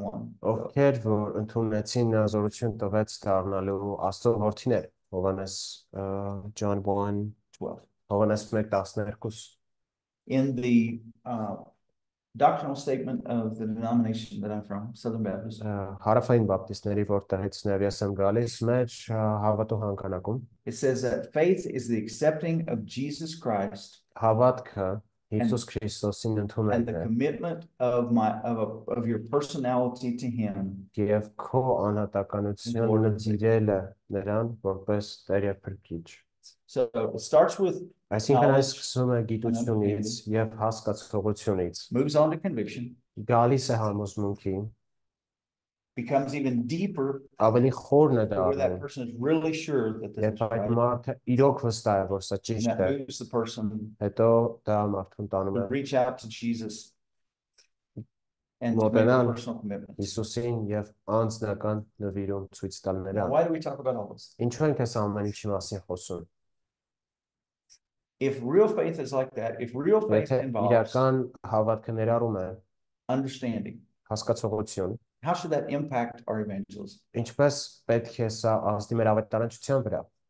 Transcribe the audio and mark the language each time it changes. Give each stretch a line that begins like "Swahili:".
English: 1. John 1:12. In the doctrinal statement of the denomination that I'm from, Southern Baptist.
Armenian: Հարավային բապտիստների որտեղից նաև ես եմ գալիս, մեր հավատու հանգանակում.
English: It says that faith is the accepting of Jesus Christ.
Armenian: Հավատքը Հիսուս Քրիստոսին ընդունելն է.
English: And the commitment of your personality to him.
Armenian: Եվ քո անհատականությունը դիրելը նրան որպես Տեր եւ Փրկիչ.
English: So it starts with moves on to conviction.
Armenian: Գալիս է համոզմունքի.
English: Becomes even deeper.
Armenian: Ավելի խորն է դառնում.
English: Where that person is really sure that this is right.
Armenian: Եթե մարդը իրոք վստահ է, որ սա ճիշտ է.
English: And that moves the person.
Armenian: Հետո դա մարդուն տանում է.
English: To reach out to Jesus. And to make a personal commitment.
Armenian: Հիսուսին եւ անձնական նվիրում ցույց տալ նրան.
English: Why do we talk about all this?
Armenian: Ինչու ենք այս ամենի մասին խոսում?
English: If real faith is like that, if real faith involves
Armenian: իրական հավատքը ներառում է
English: understanding,
Armenian: հասկացողություն,
English: how should that impact our evangelism?
Armenian: Ինչպես պետք է սա ազդի մեր ավետարանչության վրա?